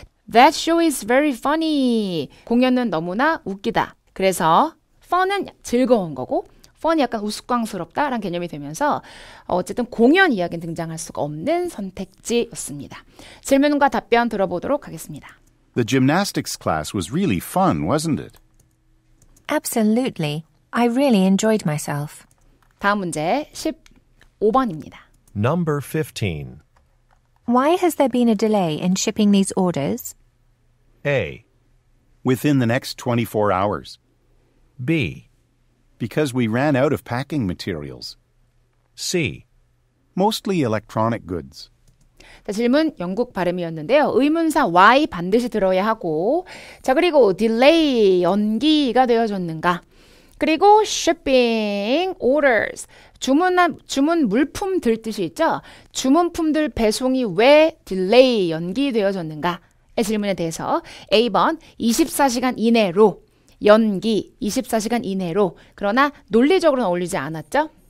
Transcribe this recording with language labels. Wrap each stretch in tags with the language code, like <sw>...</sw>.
<en>That show is very funny.</en> <ko>공연은 너무나 웃기다. 그래서 fun은 즐거운 거고 fun이 약간 우스꽝스럽다라는 개념이 되면서 어쨌든 공연 이야기는 등장할 수가 없는 선택지였습니다. 질문과 답변 들어보도록 하겠습니다.</ko> <en>The gymnastics class was really fun, wasn't it? Absolutely. I really enjoyed myself. 다음 문제 15번입니다. Number 15. Why has there been a delay in shipping these orders? A. Within the next 24 hours. B. Because we ran out of packing materials. C. Mostly electronic goods.</en> <ko>자, 질문 영국 발음이었는데요. 의문사 why 반드시 들어야 하고 자 그리고 delay 연기가 되어졌는가? 그리고 shipping orders, 주문 물품들 뜻이 있죠? 주문품들 배송이 왜 delay, 연기되어졌는가?의 질문에 대해서 A번, 24시간 이내로, 연기, 24시간 이내로, 그러나 논리적으로는 어울리지 않았죠?</ko>